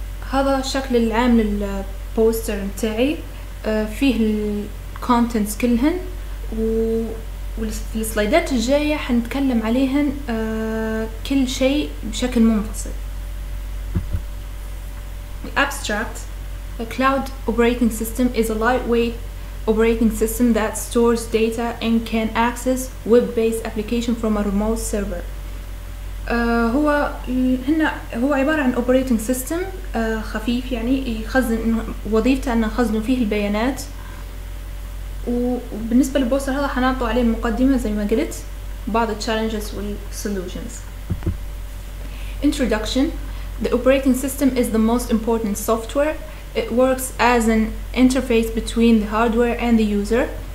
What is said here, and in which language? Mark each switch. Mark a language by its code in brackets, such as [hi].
[ar] هذا الشكل العام للبوستر متاعي، فيه الكونتنتس كلهن، والسلايدات الجاية حنتكلم عليهن كل شيء بشكل منفصل. [en] The abstract: a cloud operating system is a lightweight operating system that stores data and can access web-based application from a remote server. [ar] هو عبارة عن operating system خفيف، يعني يخزن وظيفته انه يخزن فيه البيانات. وبالنسبة للبوستر هذا حنعطوا عليه مقدمة زي ما قلت، بعض challenges والsolutions. [en] Introduction: the operating system is the most important software. It works as an interface between the hardware and the user.